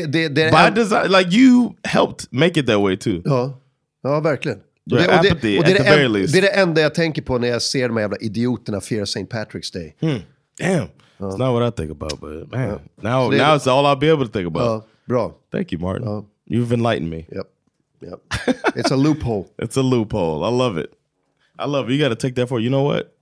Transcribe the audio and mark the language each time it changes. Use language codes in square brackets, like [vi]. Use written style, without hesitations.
[en] by design, like you helped make it that way too. [sv] Ja, verkligen. [en] Apathy, at the very least. [sv] Det är det enda jag tänker på när jag ser de jävla idioterna fira St. Patrick's Day. [en] Damn. It's not what I think about, but man. Ja. Now it's all I'll be able to think about. [sv] Bra. [en] Thank you, Martin. You've enlightened me. Yep. It's a loophole. It's a loophole. I love it. I love it. You got to take that for it. You know what?